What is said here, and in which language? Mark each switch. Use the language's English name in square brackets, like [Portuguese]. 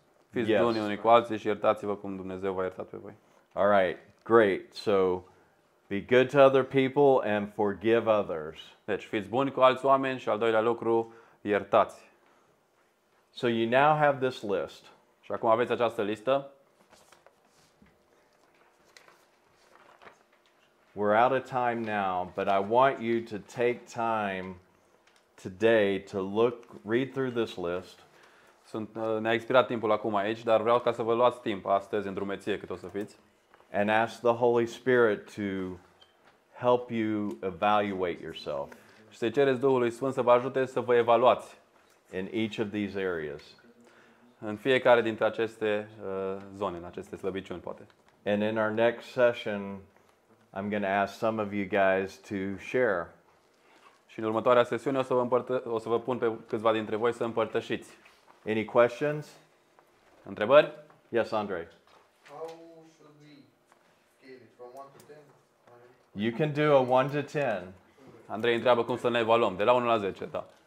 [Romanian] Fiți buni unii cu alții și iertați-vă cum Dumnezeu v-a iertat pe voi. [English] All right, great. So be good to other people and forgive others. [Romanian] Deci fiți buni cu alți oameni și al doilea lucru, iertați. [English] So you now have this list. [Romanian] Și acum aveți această listă. [English] We're out of time now, but I want you to take time today to read through this list. [Romanian] Ne-a expirat timpul acum aici, dar vreau ca să vă luați timp astăzi în drumeție cât o să fiți. [English] And ask the Holy Spirit to help you evaluate yourself. [Romanian] Și să cereți Duhului Sfânt să vă ajute să vă evaluați [English] in each of these areas. [Romanian] În fiecare dintre aceste zone, în aceste slăbiciuni, poate. [English] And in our next session I'm going to ask some of you guys to share. [Romanian] Și în următoarea sesiune o să vă pun pe câțiva dintre voi să împărtășiți. [English] Any questions? [Romanian] Întrebări? [English] Yes, Andrei. How should we scale it from 1 to 10? You can do a 1 to 10. [Romanian] Andrei întreabă cum să ne evaluăm, de la 1 la 10, da.